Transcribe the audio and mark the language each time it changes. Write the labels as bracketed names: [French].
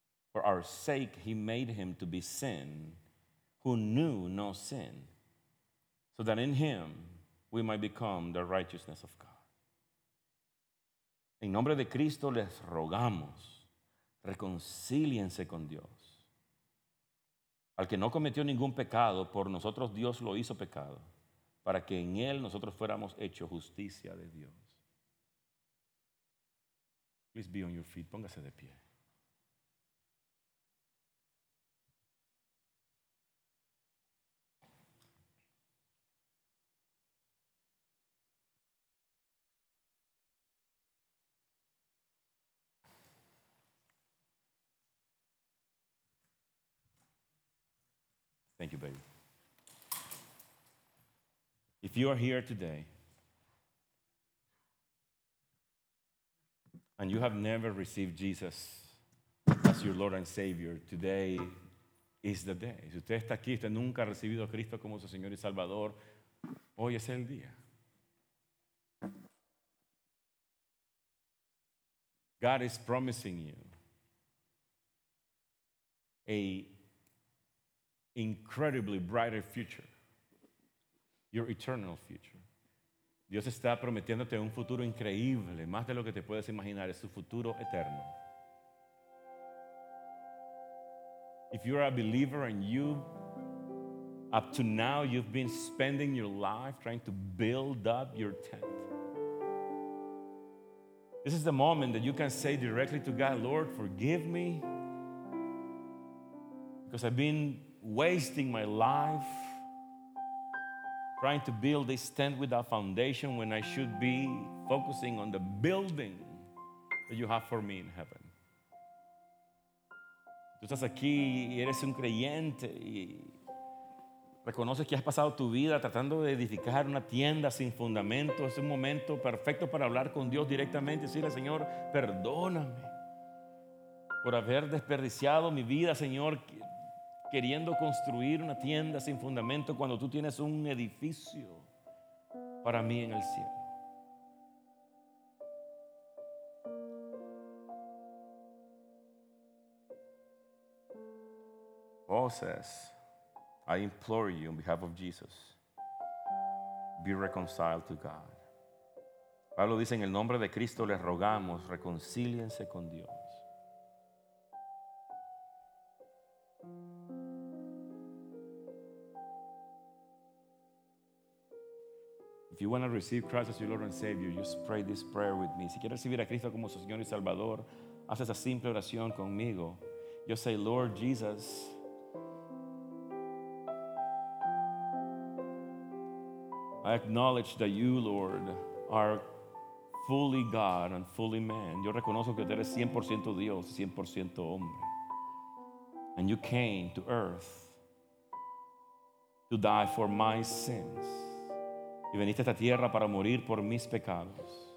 [English] For our sake, he made him to be sin, who knew no sin, so that in him we might become the righteousness of God. [Spanish] En nombre de Cristo les rogamos, reconcíliense con Dios. Al que no cometió ningún pecado, por nosotros Dios lo hizo pecado, para que en él nosotros fuéramos hecho justicia de Dios. [English] Please be on your feet, [Spanish] póngase de pie. [English] Thank you, baby. If you are here today and you have never received Jesus as your Lord and Savior, today is the day. [Spanish] Si usted está aquí, usted nunca ha recibido a Cristo como su Señor y Salvador, hoy es el día. [English] God is promising you a incredibly brighter future, your eternal future. [Spanish] Dios está prometiéndote un futuro increíble, más de lo que te puedes imaginar, es tu futuro eterno. [English] If you're a believer and you, up to now, you've been spending your life trying to build up your tent, this is the moment that you can say directly to God, Lord, forgive me, because I've been wasting my life trying to build this tent without foundation when I should be focusing on the building that you have for me in heaven. [Spanish] Tú estás aquí y eres un creyente y reconoces que has pasado tu vida tratando de edificar una tienda sin fundamento. Es un momento perfecto para hablar con Dios directamente y decirle, Señor, perdóname por haber desperdiciado mi vida, Señor, queriendo construir una tienda sin fundamento cuando tú tienes un edificio para mí en el cielo. [English] Paul says, I implore you on behalf of Jesus, be reconciled to God. [Spanish] Pablo dice, en el nombre de Cristo les rogamos, reconcíliense con Dios. [English] If you want to receive Christ as your Lord and Savior, just pray this prayer with me. [Spanish] Si quieres recibir a Cristo como su Señor y Salvador, haz esa simple oración conmigo. [English] Yo say, Lord Jesus, I acknowledge that you, Lord, are fully God and fully man. [Spanish] Yo reconozco que eres 100% Dios, 100% hombre. [English] And you came to earth to die for my sins. [Spanish] Y veniste a esta tierra para morir por mis pecados.